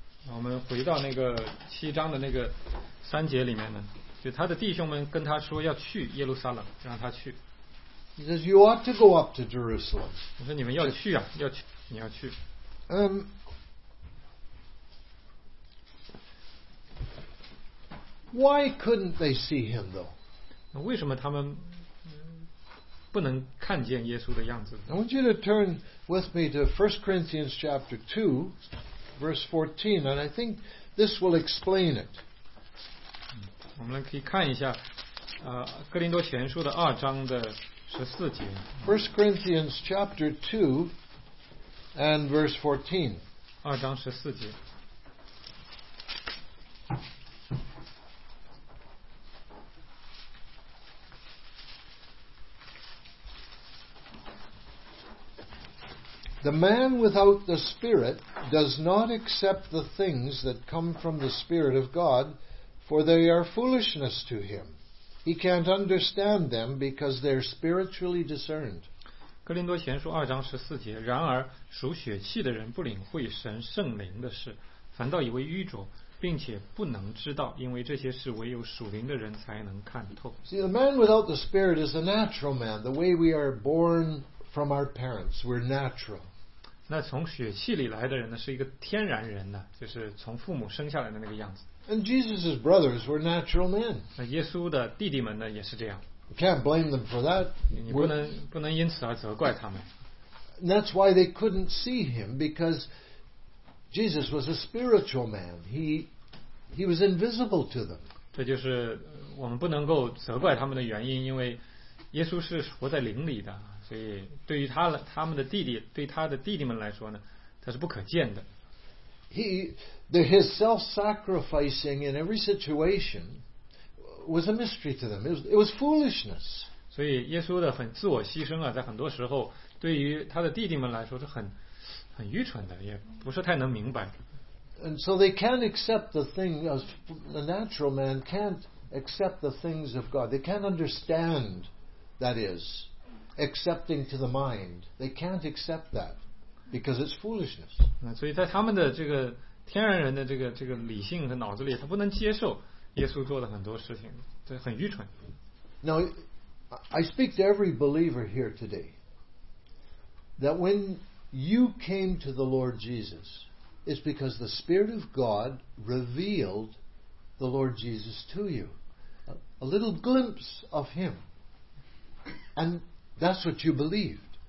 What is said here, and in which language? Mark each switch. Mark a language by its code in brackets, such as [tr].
[zh] 我们回到那个七章的那个三节里面呢，就他的弟兄们跟他说要去耶路撒冷，让他去。 [en] He says, "You ought to go up to Jerusalem." [zh] 我说你们要去啊，要去，你要去。 [en] Why couldn't they see him though? [zh] 那为什么他们？不能看见耶稣的样子。 [en] I want you to turn with me to 1 Corinthians chapter 2, verse 14, and I think this will explain it. [zh] 我们可以看一下哥林多前书的二章的十四节。 [en] First Corinthians chapter 2 and verse 14. [zh] 二章十四节。 [en] The man without the Spirit does not accept the things that come from the Spirit of God, for they are foolishness to him. He can't understand them because they're spiritually discerned. [zh] 哥林多前书二章十四节，然而属血气的人不领会神圣灵的事，反倒以为愚拙，并且不能知道，因为这些事唯有属灵的人才能看透。 [en] See, the man without the Spirit is a natural man, the way we are born from our parents, we're natural. [zh] 那从血气里来的人呢，是一个天然人呢，就是从父母生下来的那个样子。 [en] And Jesus's brothers were natural men. [zh] 那耶稣的弟弟们呢，也是这样。 [en] You can't blame them for that. [zh] 你不能因此而责怪他们。 [en] And that's why they couldn't see him, because Jesus was a spiritual man. He was invisible to them. [zh] 这就是我们不能够责怪他们的原因，因为耶稣是活在灵里的。所以对于他的弟弟们来说呢，他是不可见的。 [en] His self-sacrificing in every situation was a mystery to them. It was foolishness. [zh] 所以耶稣的很自我牺牲啊，在很多时候对于他的弟弟们来说是很愚蠢的，也不是太能明白。 [en] And so they can't accept the thing of the natural man can't accept the things of God. They can't understand that is. Accepting to the mind, they can't accept that because it's foolishness. [zh] 所以在他们的这个天然人的这个理性和脑子里，他不能接受耶稣做的很多事情，这很愚蠢。 [en] Now, I speak to every believer here today that when you came to the Lord Jesus, it's because the Spirit of God revealed the Lord Jesus to you, a little glimpse of Him, and That's what you believed.